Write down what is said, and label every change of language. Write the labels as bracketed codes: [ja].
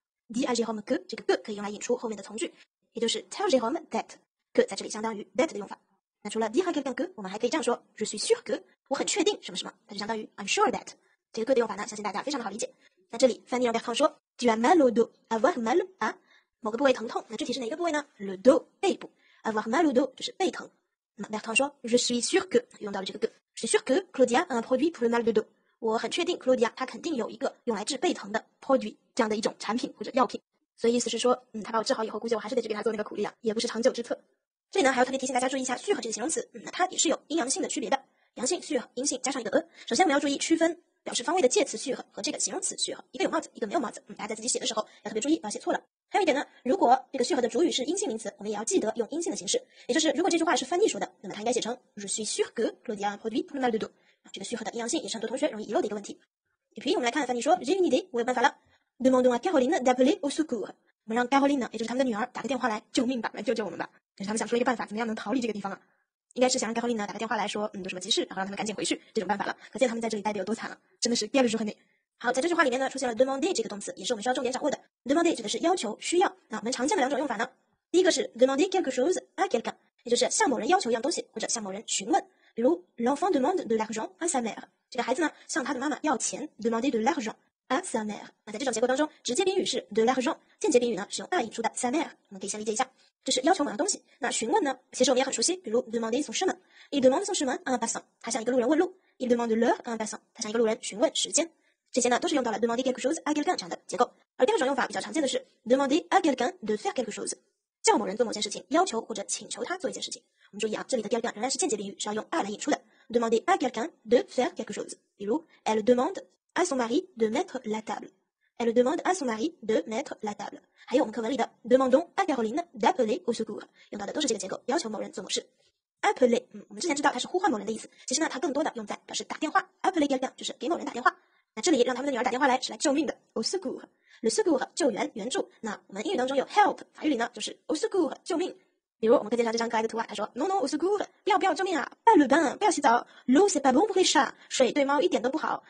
[fr] dis à Jérôme que， [zh] 这个 que 可以用来引出后面的从句，也就是 [en] tell Jérôme that， [zh] que 在这里相当于 that 的用法。那除了 [fr] dire quelqu'un que， [zh] 我们还可以这样说 [fr] je suis sûr que， [zh] 我很确定什么什么，它就相当于 [en] I'm sure that。 [zh] 这个 que 的用法呢相信大家非常的好理解。那这里翻译让 Bertrand 说 [fr] tu as mal au dos， avoir mal à [zh] 某个部位疼痛，那具体是哪个部位呢？ [fr] le dos， 背部。 avoir mal au dos [zh] 就是背疼。 那么 Bertrand 说 [fr] je suis sûr que， [zh] 用到了这个 que， [fr] je suis sûr que Claudia a un produit pour le mal de dos， [zh] 我很确定 Claudia 她肯定有一个用来治背疼的 produit， 这样的一种产品或者药品。所以意思是说她把我治好以后，估计我还是得去给她做那个苦力啊，也不是长久之策。这里呢还要特别提醒大家注意一下 sûr 这个形容词，它也是有阴阳性的区别的，阳性 sûr， 阴性加上一个 a。首先我们要注意区分表示方位的介词 sûr 和这个形容词 sûr， 一个有帽子一个没有帽子，大家在自己写的时候要特别注意不要写错了。还有一点呢，如果这个 sûr 的主语是阴性名词，我们也要记得用阴性的形式，也就是如果这句话是翻译说的，那么它应该写成 [fr] je suis sûr que Claudia a un produit pour le mal de dos， [zh] 这个 sûr 的阴阳性也是很多同学容易遗漏的一个问题。也可以我们来看翻译说 [fr] j'ai une idée， [zh] 我有办法了， [fr] demandons à Caroline d'appeler au secours， [zh] 我们让 Caroline 呢，也就是他们的女儿打个电话来，救命吧，来救救我们吧。就是他们想出了一个办法，怎么样能逃离这个地方啊？应该是想让 Caroline 呢打个电话来说，有什么急事，然后让他们赶紧回去这种办法了。可见他们在这里待的有多惨了，真的是憋了住很累。好，在这句话里面呢，出现了 demander 这个动词，也是我们需要重点掌握的。 demander 指的是要求、需要。那我们常见的两种用法呢，第一个是 [fr] demander quelque chose à quelqu'un， [zh] 也就是向某人要求一样东西，或者向某人询问。 [fr] 比如 l'enfant demande de l'argent à sa mère， [zh] 这个孩子呢向他的妈妈要钱 [fr] ，demander de l'argent。 [zh] à sa mère， 那在这种结构当中，直接宾语是 de l'argent， 间接宾语呢是用 à 引出的 sa mère， 我们可以先理解一下，这是要求某样东西。那询问呢，其实我们也很熟悉，比如 [fr] demander son chemin， il demande son chemin à un passant， [zh] 他向一个路人问路， [fr] il demande l'heure à un passant， [zh] 他向一个路人询问时间。这些呢都是用到了 [fr] demander quelque chose à quelqu'un [zh] 这样的结构。而第二种用法比较常见的是 [fr] demander à quelqu'un de faire quelque chose， [zh] 叫某人做某件事情，要求或者请求他做一件事情。我们注意啊，这里的 quelqu'un 仍然是间接宾语，是要用 à 来引出的。 [fr] demander à quelqu'un de faire quelque chose， [zh] 比如 [fr] elle demande à son mari de mettre la table， elle demande à son mari de mettre la table。 [zh] 还有我们课文里的 [fr] demandons à Caroline d'appeler au secours， [zh] 用到的都是这个结构，要求某人做某事。 appeler， 我们之前知道它是呼唤某人的意思，其实呢它更多的用在表示打电话， [fr] appeler quelqu'un [zh] 就是给某人打电话。那这里让他们的女儿打电话来是来救命的， au secours， le secours 救援援助。那我们英语当中有 help， 法语里呢就是 au secours 救命。比如我们课件上这张可爱的图啊，他说 [fr] non non au secours， [zh] 不要不要救命啊， [fr] pas le bain， [zh] 不要洗澡， [fr] l'eau c'est pas bon pour les chats， [zh] 水对猫一点都不好。